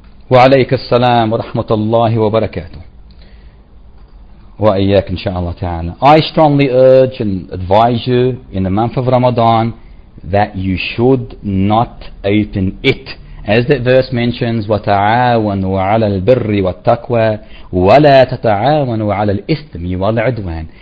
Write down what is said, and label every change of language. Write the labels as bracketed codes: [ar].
[ar] وعليك السلام ورحمة الله وبركاته وإياك إن شاء الله تعالى. [en] I strongly urge and advise you in the month of Ramadan that you should not open it. As that verse mentions, [ar] وَتَعَاوَنُوا عَلَى الْبِرِّ وَالتَّقْوَى وَلَا تَتَعَاوَنُوا عَلَى الْإِثْمِ وَالْعُدْوَانِ.